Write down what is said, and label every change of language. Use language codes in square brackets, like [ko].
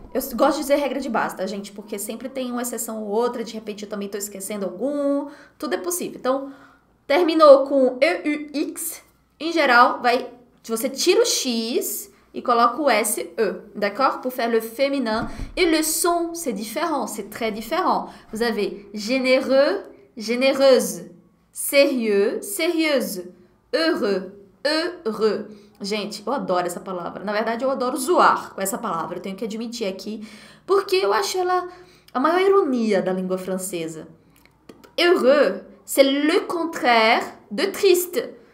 [pt] Eu gosto de dizer regra de base, tá, gente? Porque sempre tem uma exceção ou outra, de repente eu também estou esquecendo algum, tudo é possível. Então, terminou com EUX, em geral, vai. Você tira o X e coloca o S, E, d'accord? [fr] Pour faire le féminin. E le son, c'est différent, c'est très différent. Vous avez généreux, Généreuse. Sérieux, sérieuse. Heureux, heureux. [pt] Gente, eu adoro essa palavra. Na verdade, eu adoro zoar com essa palavra. Eu tenho que admitir aqui, porque eu acho ela a maior ironia da língua francesa. [fr] Heureux, c'est le contraire de triste.